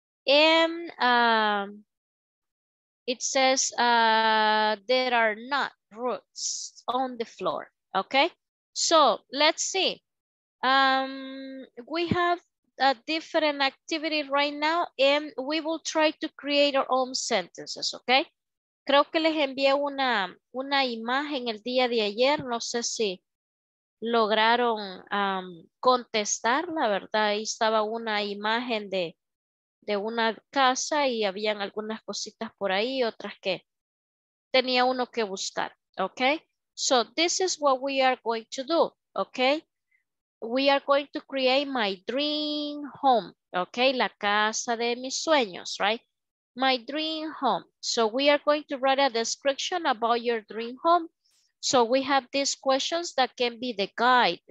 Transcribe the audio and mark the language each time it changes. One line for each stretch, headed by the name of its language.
English: It says there are not roots on the floor. Okay, so let's see. We have a different activity right now and we will try to create our own sentences, okay?
Spanish: Creo que les envié una imagen el día de ayer, no sé si lograron contestar, la verdad, ahí estaba una imagen de una casa y habían algunas cositas por ahí, otras que tenía uno que buscar, okay?
English: So this is what we are going to do, okay? We are going to create my dream home, okay?
Spanish: La casa de mis sueños, right?
English: My dream home. So we are going to write a description about your dream home. So we have these questions that can be the guide.